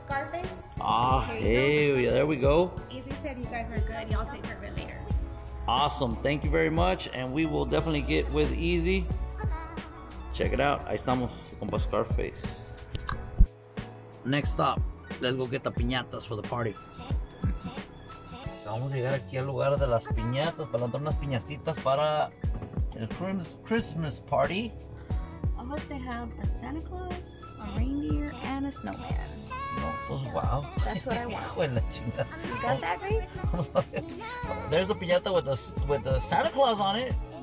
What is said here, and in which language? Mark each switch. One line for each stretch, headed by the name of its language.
English: Scarface. Ah, hey, yeah, there we go. Easy said you guys are good. Y'all take care of it later. Awesome. Thank you very much. And we will definitely get with Easy. Check it out.
Spanish: Ahí estamos, compa Scarface.
English: Next stop, let's go get the piñatas for the party.
Spanish: Vamos a llegar aquí al lugar de las piñatas para montar unas piñatitas para el Christmas party.
English: I hope they have a Santa Claus, a reindeer, and a snowman.
Spanish: No, pues wow.
English: That's what I want.
Spanish: Bueno, chinga.
English: You got that, Grace?
Spanish: Vamos a ver.
English: There's a piñata with a Santa Claus on it.